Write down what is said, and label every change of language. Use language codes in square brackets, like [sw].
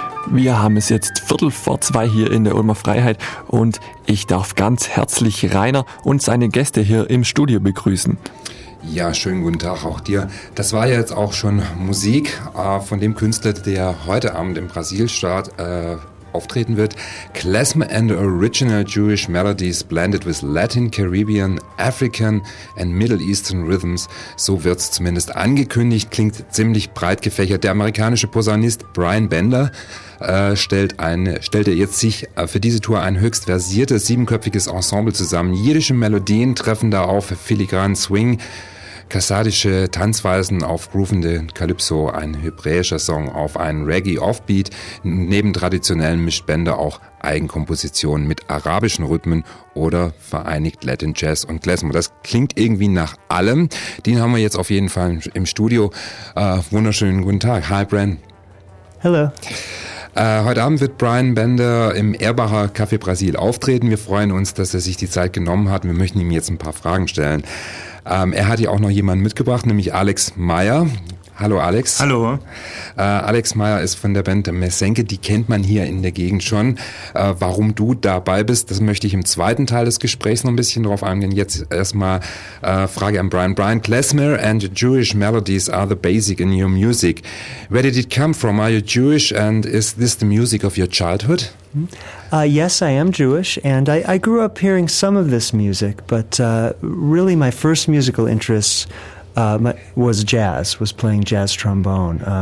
[de] Wir haben es jetzt 14:15 hier in der Ulmer Freiheit und ich darf ganz herzlich Rainer und seine Gäste hier im Studio begrüßen. Ja, schönen guten Tag auch dir. Das war jetzt auch schon Musik von dem Künstler, der heute Abend im Brasilstaat auftreten wird. [en] Klezmer and Original Jewish Melodies blended with Latin, Caribbean, African and Middle Eastern Rhythms. [de] So wird es zumindest angekündigt. Klingt ziemlich breit gefächert. Der amerikanische Posaunist Brian Bender stellt jetzt sich für diese Tour ein höchst versiertes, siebenköpfiges Ensemble zusammen. Jiddische Melodien treffen da auf filigranen Swing, kassadische Tanzweisen auf groovende Calypso, ein hebräischer Song auf einen Reggae-Offbeat. Neben traditionellen mischt Bender auch Eigenkompositionen mit arabischen Rhythmen oder vereinigt Latin Jazz und Klezmer. Das klingt irgendwie nach allem. Den haben wir jetzt auf jeden Fall im Studio. Wunderschönen guten Tag. Hi, Brian. [en] Hello. [de] Heute Abend wird Brian Bender im Erbacher Café Brasil auftreten. Wir freuen uns, dass er sich die Zeit genommen hat. Wir möchten ihm jetzt ein paar Fragen stellen. Er hat ja auch noch jemanden mitgebracht, nämlich Alex Meyer. Hallo Alex. Hallo. Alex Meyer ist von der Band Mesenke, die kennt man hier in der Gegend schon. Warum du dabei bist, das möchte ich im zweiten Teil des Gesprächs noch ein bisschen drauf eingehen. Jetzt erstmal Frage an Brian. [en] Brian, Klezmer and Jewish melodies are the basic in your music. Where did it come from? Are you Jewish and is this the music of your childhood? Yes, I am Jewish, and I grew up hearing some of this music, but really my first musical interests was jazz, was playing jazz trombone.